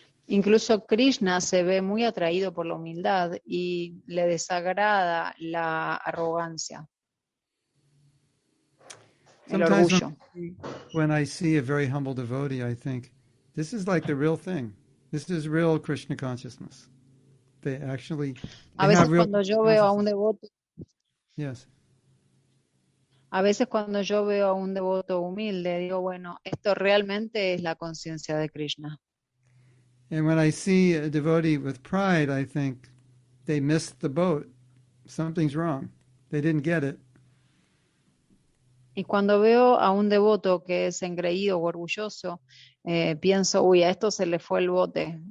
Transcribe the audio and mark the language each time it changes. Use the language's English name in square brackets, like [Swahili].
[Spanish] Incluso Krishna se ve muy atraído por la humildad y le desagrada la arrogancia. [English] Sometimes when I see a very humble devotee, I think, this is like the real thing. This is real Krishna consciousness. They actually [Spanish] a veces [English] have real [Spanish] cuando yo veo a un devoto, [English] yes. [Spanish] A veces cuando yo veo a un devoto humilde, digo, bueno, esto realmente es la conciencia de Krishna. [English] And when I see a devotee with pride, I think they missed the boat. Something's wrong. They didn't get it. [Spanish] Y cuando veo a un devoto que es engreído o orgulloso, pienso, uy, a esto se le fue el bote.